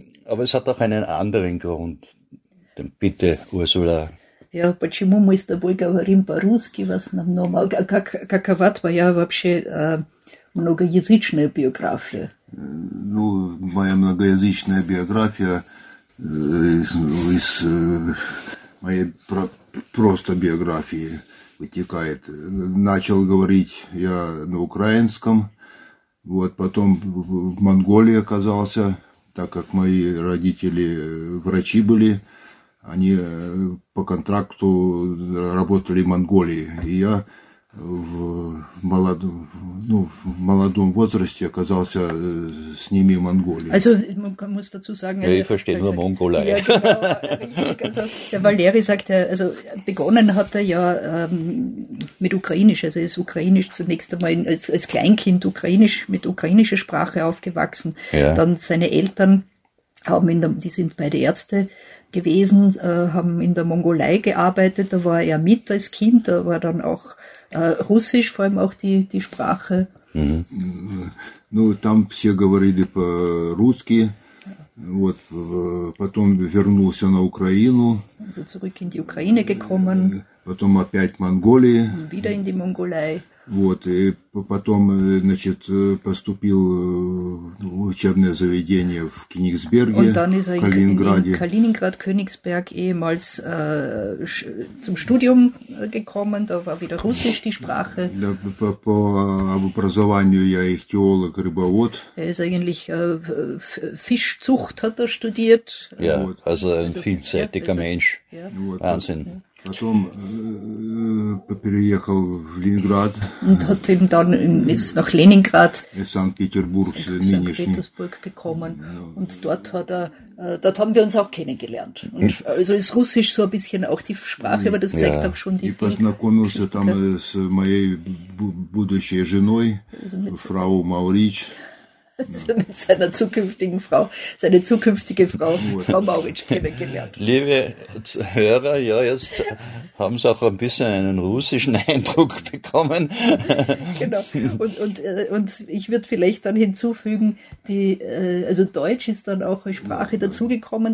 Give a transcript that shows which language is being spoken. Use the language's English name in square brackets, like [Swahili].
[German] Aber es hat auch einen anderen Grund. Dann bitte, Ursula. [Russian] Ja, почему мы с тобой говорим по-русски в основном? Какова твоя вообще многоязычная биография? Ну, моя многоязычная биография из моей просто биографии вытекает. Начал говорить я на украинском, вот потом в Монголии оказался, так как мои родители врачи были, они по контракту работали в Монголии. И я в ну, в молодом возрасте оказался с ними в Монголии. [German] Also, man muss dazu sagen, ja, ich verstehe nur Mongolei. Ja, genau, also, der Valeri sagt, also begonnen hat er ja mit Ukrainisch, also ist Ukrainisch zunächst einmal als Kleinkind Ukrainisch, mit ukrainischer Sprache aufgewachsen. Ja. Dann seine Eltern haben ihn, die sind beide Ärzte gewesen, haben in der Mongolei gearbeitet, da war er mit als Kind, da war dann auch Russisch, vor allem auch die Sprache. [Russian] Ну, там все говорили по-русски. Вот, потом вернулся на Украину. [German] Also zurück in die Ukraine gekommen. [Russian] Потом опять в Монголии. [German] Wieder in die Mongolei. [Russian] Вот, и потом, значит, поступил в учебное заведение в Кенигсберге, в Калининграде. [German] In Kaliningrad, Königsberg, ehemals zum Studium gekommen, da war wieder Russisch die Sprache. [Russian] Да, по образованию я ихтиолог, рыбовод. [German] Er ist eigentlich Fischzucht hat er studiert. Ja, вот. Also ein vielseitiger also, Mensch. Ja. Вот. Wahnsinn. Ja. [Russian] Потом переехал в Ленинград. [German] Und hat ihn dann ist nach Leningrad. [Russian] In Санкт-Петербург, [German] Санкт-Петербург gekommen. Und dort hat er, dort haben wir uns auch kennengelernt. Und also ist Russisch so ein bisschen auch die Sprache, aber das zeigt ja auch schon die. [Russian] Ich познакомился там с моей будущей женой, Frau Mauritsch. [German] Also mit seiner zukünftigen Frau, seine zukünftige Frau, Frau Mauritsch, kennengelernt. Liebe Hörer, ja, jetzt haben Sie auch ein bisschen einen russischen Eindruck bekommen. Genau, und ich würde vielleicht dann hinzufügen, also Deutsch ist dann auch als Sprache dazugekommen.